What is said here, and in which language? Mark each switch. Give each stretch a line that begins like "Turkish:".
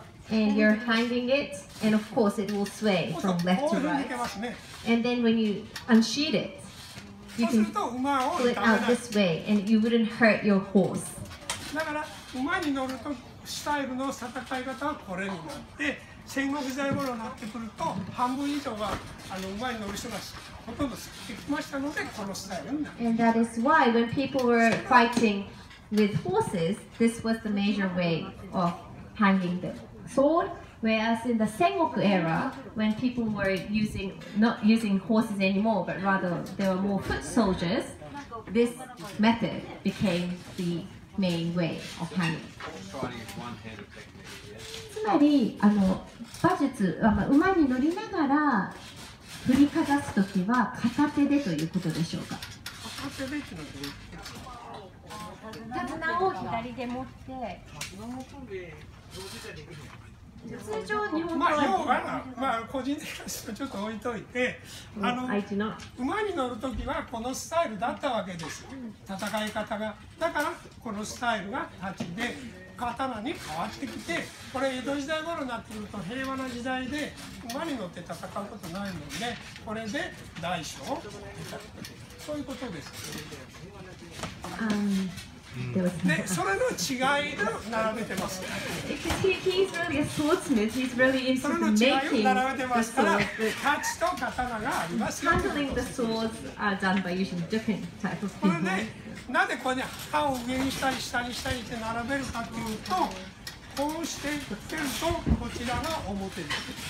English: And you're hanging it, and of course it will sway from left to right. And then when you unsheathe it, you can pull it out this way, and you wouldn't hurt your horse.
Japanese: だから馬に乗るとスタイルの戦い方はこれになって戦国時代頃になってくると半分以上はあの馬に乗る人がほとんど減ってきましたのでこのスタイルになる。
English: And that is why when people were fighting with horses, this was the major way of hanging the sword. Whereas in the Sengoku era, when people were using not using horses anymore, but rather there were more foot soldiers, this method became the main way of hanging.
Japanese: つまりあの馬術は、まあ、馬に乗りながら振りかざすときは片手でということでしょうか。片手でというのは手綱を左で持って通常日本語は、まあ、要は、まあ、個人的にはちょっと置いといて、あの馬に乗るときはこのスタイルだったわけです。戦い方が。だからこのスタイルが立ちで、刀に変わってきて、これ江戸時代頃になってくると平和な時代で馬に乗って戦うことないもんね。これで大将そういうことです。でそれの違いを並べてます。それの違いを並べてますから、太刀と刀がありますよ。
English: Handling the swords are done by using different types of people.
Japanese: これね、なんでこれね、刃を上にしたり下にしたりって並べるかっていうと、こうして振ってるとこちらが表です。